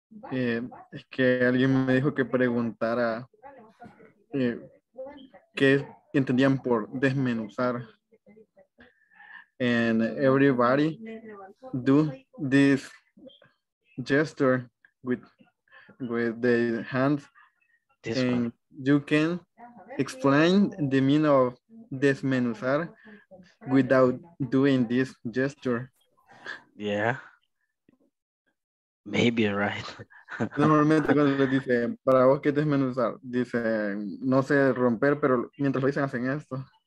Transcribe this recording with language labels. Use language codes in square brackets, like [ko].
[es] Es que alguien me dijo que preguntara qué entendían por desmenuzar. [en] And everybody do this gesture with the hands, this and one. You can explain the meaning of desmenuzar without doing this gesture. Yeah, maybe right. [es] Normalmente cuando le dice, para vos qué desmenuzar, dice, no sé romper, pero mientras lo dicen, hacen esto.